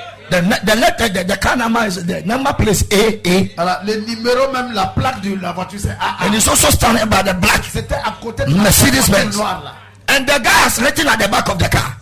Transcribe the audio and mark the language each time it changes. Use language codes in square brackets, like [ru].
[en] The car number is the number place AA. [fr] Alors, le numéro même, la plaque de la voiture c'est AA. [en] And it's also standing by the black. [fr] C'était à côté de Mercedes Benz. [en] And the guy has written at the back of the car.